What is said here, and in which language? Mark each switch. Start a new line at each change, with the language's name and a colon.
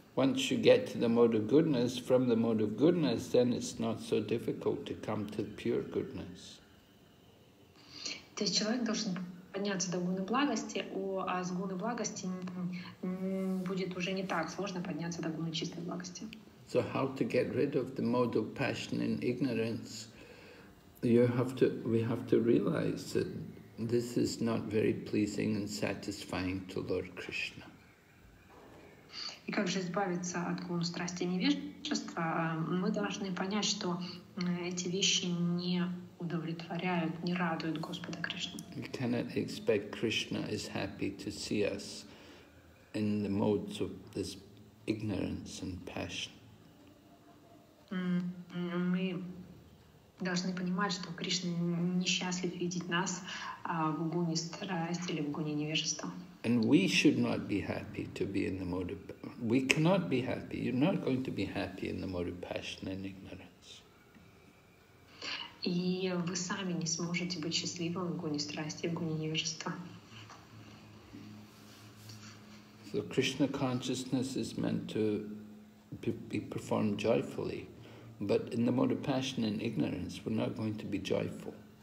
English: Once you get to the mode of goodness, from the mode of goodness, then it's not so difficult to come to pure goodness.
Russian: То есть человек должен подняться до гуны благости, а с гуны благости будет уже не так сложно подняться до гуны чистой благости.
English: So how to get rid of the mode of passion and ignorance? We have to realize that this is not very pleasing and satisfying to Lord Krishna.
Russian: И как же избавиться от гуны страсти и невежества? Мы должны понять, что эти вещи не удовлетворяют, не радуют Господа Кришну.
English: We cannot expect Krishna is happy to see us in the modes of this ignorance and passion.
Russian: Мы должны понимать, что Кришна несчастлив видеть нас в гуне страсти или в гуне невежества.
English: And we should not be happy to be in the mode of... We cannot be happy. You're not going to be happy in the mode of passion and ignorance.
Russian: И вы сами не сможете быть счастливым в гуне страсти, в гуне невежества.
English: So Krishna consciousness is meant to be performed joyfully, but in the mode of passion and ignorance, we're not going to be joyful.